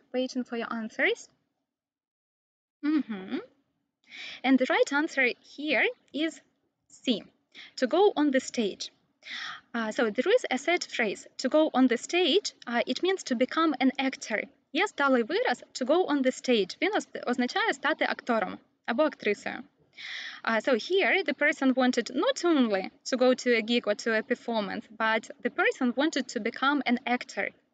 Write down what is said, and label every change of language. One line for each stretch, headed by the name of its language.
English: Waiting for your answers. And the right answer here is C, to go on the stage. So there is a set phrase, to go on the stage, it means to become an actor.
Ukrainian: Є сталий вираз
English: to go on the stage.
Ukrainian: Він означає стати актором або актрисою.
English: So here the person wanted not only to go to a gig or to a performance, but the person wanted to become an actor.